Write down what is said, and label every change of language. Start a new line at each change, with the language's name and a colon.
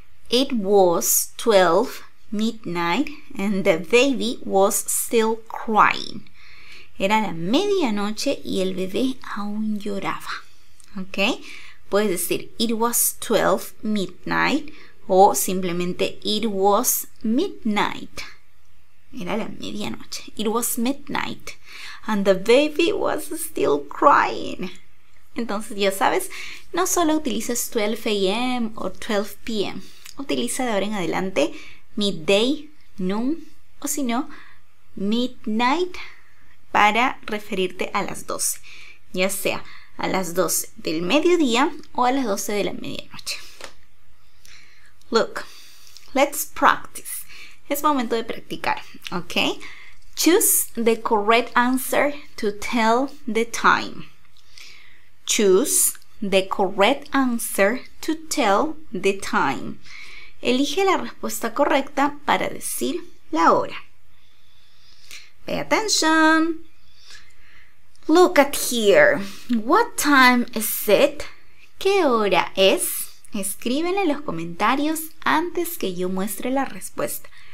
English: It was 12 midnight and the baby was still crying.
Spanish: Era la medianoche y el bebé aún lloraba. Okay? Puedes decir
English: it was 12 midnight
Spanish: o simplemente
English: it was midnight.
Spanish: Era la medianoche.
English: It was midnight and the baby was still crying.
Spanish: Entonces, ya sabes, no solo utilizas 12 a.m. o 12 p.m. Utiliza de ahora en adelante midday, noon o si no, midnight para referirte a las 12. Ya sea a las 12 del mediodía o a las 12 de la medianoche.
English: Look, let's practice.
Spanish: Es momento de practicar, ¿ok?
English: Choose the correct answer to tell the time. Choose the correct answer to tell the time.
Spanish: Elige la respuesta correcta para decir la hora.
English: Pay attention. Look at here. What time is it?
Spanish: ¿Qué hora es? Escríbela en los comentarios antes que yo muestre la respuesta.